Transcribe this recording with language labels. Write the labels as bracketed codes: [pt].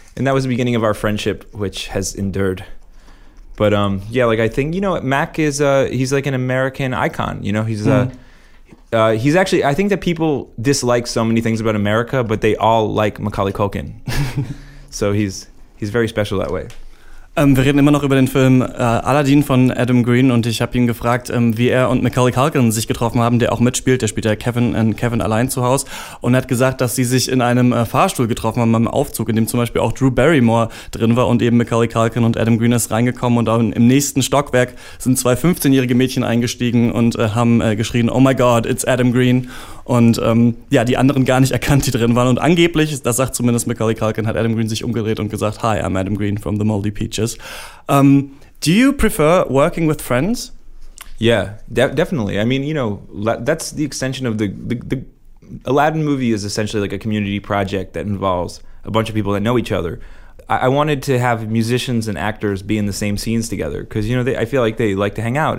[en] And that was the beginning of our friendship, which has endured. But yeah, like I think, you know, Mac is, he's like an American icon, you know? He's he's actually, I think that people dislike so many things about America, but they all like Macaulay Culkin. So he's very special that way. [de] Wir reden immer noch über den Film Aladdin von Adam Green und ich habe ihn gefragt, wie er und Macaulay Culkin sich getroffen haben, der auch mitspielt. Der spielt ja Kevin in Kevin allein zu Hause und er hat gesagt, dass sie sich in einem Fahrstuhl getroffen haben, beim Aufzug, in dem zum Beispiel auch Drew Barrymore drin war und eben Macaulay Culkin und Adam Green ist reingekommen und dann im nächsten Stockwerk sind zwei 15-jährige Mädchen eingestiegen und haben geschrien, oh my God, it's Adam Green. Und ja, die anderen gar nicht erkannt, die drin waren. Und angeblich, das sagt zumindest Macaulay Culkin, hat Adam Green sich umgedreht und gesagt, hi, I'm Adam Green from the Moldy Peaches. [en] Do you prefer working with friends? Yeah, definitely. I mean, you know, that's the extension of the Aladdin movie is essentially like a community project that involves a bunch of people that know each other. I wanted to have musicians and actors be in the same scenes together because, you know, I feel like they like to hang out.